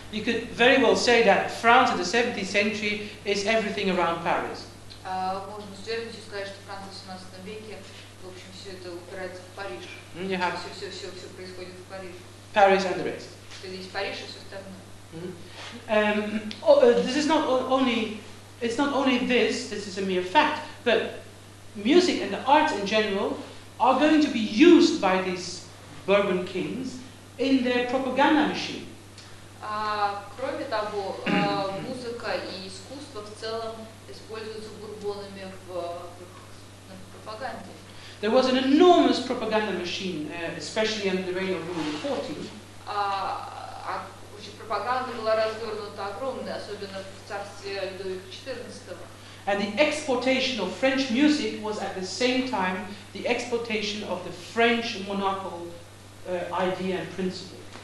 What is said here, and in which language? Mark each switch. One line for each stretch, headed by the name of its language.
English: You could very well say that France in the 17th century is everything around Paris.
Russian: Можно с уверенностью сказать, что Франция в 17 веке, в общем, все это упирается в Париж. Все происходит в Париж.
English: Paris and the rest.
Russian: То есть Париж и все остальное.
English: This is not only... It's not only this, this is a mere fact, but music and the arts in general are going to be used by these Bourbon kings in their propaganda machine.
Russian: Кроме того, музыка и искусство в целом используются бурбонами в пропаганде.
English: There was an enormous propaganda machine, especially under the reign of Louis XIV.
Russian: Пропаганда была развернута огромной, особенно в царстве Людовика XIV.
English: And the exportation of French music was at the same time the exportation of the French monarchical idea and principle.